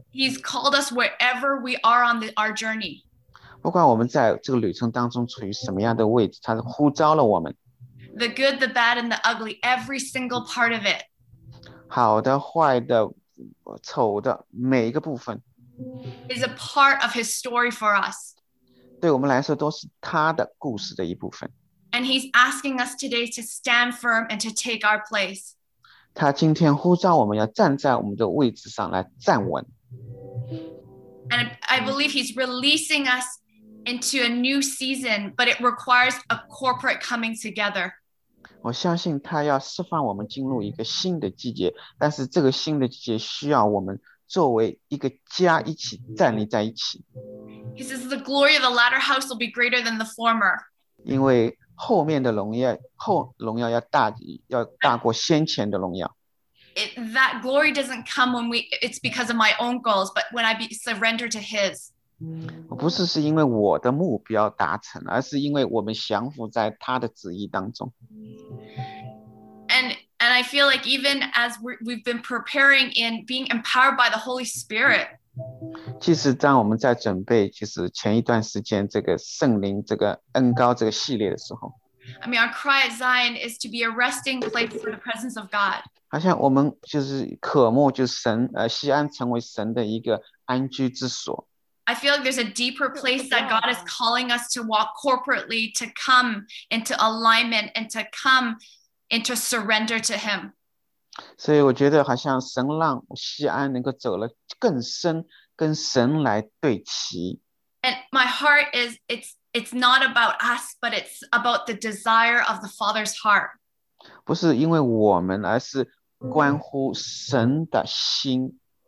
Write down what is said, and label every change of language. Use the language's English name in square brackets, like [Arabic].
[English] He's called us wherever we are on our journey. [Chinese] 不管我们在这个旅程当中处于什么样的位置，他呼召了我们。 [English] The good, the bad, and the ugly, every single part of it. [Chinese] 好的、坏的、丑的，每一个部分。 [English] Is a part of his story for us. [Chinese] 对我们来说都是他的故事的一部分。 [English] And he's asking us today to stand firm and to take our place. [Chinese] 他今天呼召我们要站在我们的位置上来站稳。 [English] And I believe he's releasing us into a new season, but it requires a corporate coming together. [Chinese] 我相信他要释放我们进入一个新的季节，但是这个新的季节需要我们作为一个家一起站立在一起。 [English] He says the glory of the latter house will be greater than the former. [Chinese] 因为后面的荣耀，要大过先前的荣耀。 [English] That glory doesn't come when it's because of my own goals, but when I surrender to His. [Chinese] 不是是因为我的目标达成，而是因为我们降服在他的旨意当中。 [English] And I feel like even as we've been preparing in being empowered by the Holy Spirit. [Chinese] 其实当我们在准备，就是前一段时间这个圣灵这个恩膏这个系列的时候。 [English] I mean, our cry at Zion is to be a resting place for the presence of God. [Chinese] 好像我们就是渴慕，就是神，西安成为神的一个安居之所。 [English] I feel like there's a deeper place that God is calling us to walk corporately, to come into alignment and to come into surrender to Him. [Chinese] 所以我觉得好像神让西安能够走了更深，跟神来对齐。 [English] And my heart is, it's not about us, but it's about the desire of the Father's heart. [Chinese] 不是因为我们，而是关乎神的心。